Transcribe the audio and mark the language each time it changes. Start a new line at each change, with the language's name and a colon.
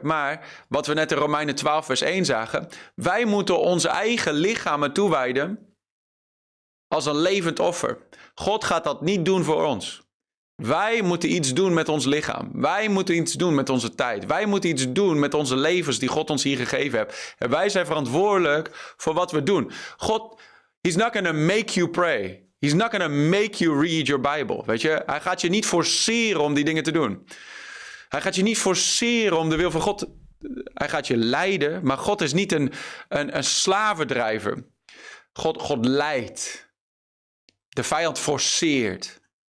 Dutch: Maar wat we net in Romeinen 12 vers 1 zagen, wij moeten onze eigen lichamen toewijden als een levend offer. God gaat dat niet doen voor ons. Wij moeten iets doen met ons lichaam. Wij moeten iets doen met onze tijd. Wij moeten iets doen met onze levens die God ons hier gegeven heeft. En wij zijn verantwoordelijk voor wat we doen.
English: God, he's not going to make you pray. He's not going to make you read your Bible.
Dutch: Weet je, hij gaat je niet forceren om die dingen te doen. Hij gaat je niet forceren om de wil van God. Hij gaat je leiden, maar God is niet een slavendrijver. God leidt. De vijand forceert.